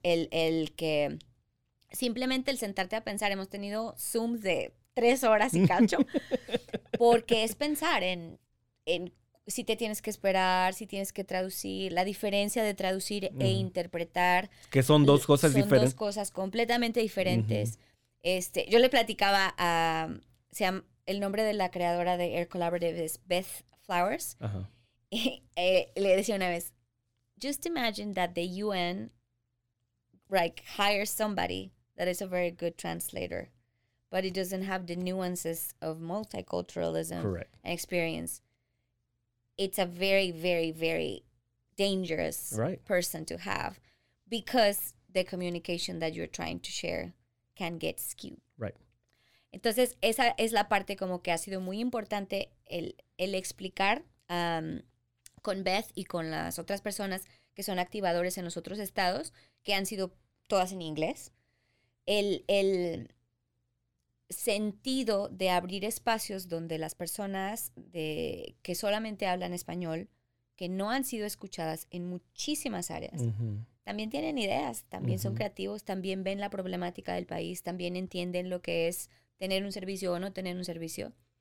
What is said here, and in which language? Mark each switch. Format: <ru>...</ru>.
<es>El que simplemente el sentarte a pensar, hemos tenido Zooms de 3 horas y cacho, porque es pensar en si te tienes que esperar, si tienes que traducir, la diferencia de traducir e interpretar. Que son dos cosas diferentes. Son dos cosas completamente diferentes. Uh-huh. Yo le platicaba a... el nombre de la creadora de Air Collaborative es Beth Flowers. Uh-huh. Y le decía una vez,</es> <en>just imagine that the UN like hires somebody that is a very good translator, but it doesn't have the nuances of multiculturalism and experience. It's a very, very, very dangerous person to have because the communication that you're trying to share can get skewed. Right.</en> <es>Entonces, esa es la parte como que ha sido muy importante el explicar con Beth y con las otras personas que son activadores en los otros estados, que han sido todas en inglés. El sentido de abrir espacios donde las personas que solamente hablan español, que no han sido escuchadas en muchísimas áreas, también tienen ideas, también son creativos, también ven la problemática del país, también entienden lo que es tener un servicio o no tener un servicio.</es>